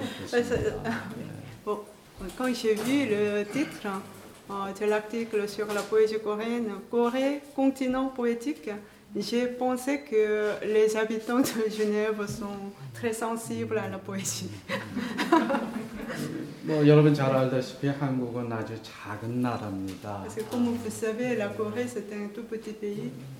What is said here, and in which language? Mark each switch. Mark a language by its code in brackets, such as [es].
[ko] 그래서 뭐 [fr] quand j'ai vu le titre de l'article sur la poésie coréenne, Corée, continent poétique, j'ai pensé que les habitants de Genève sont très sensibles à la poésie. [ko] 뭐 여러분 잘 알다시피 한국은 아주 작은 나라입니다. [fr] Comme vous savez, la Corée c'est un tout petit pays.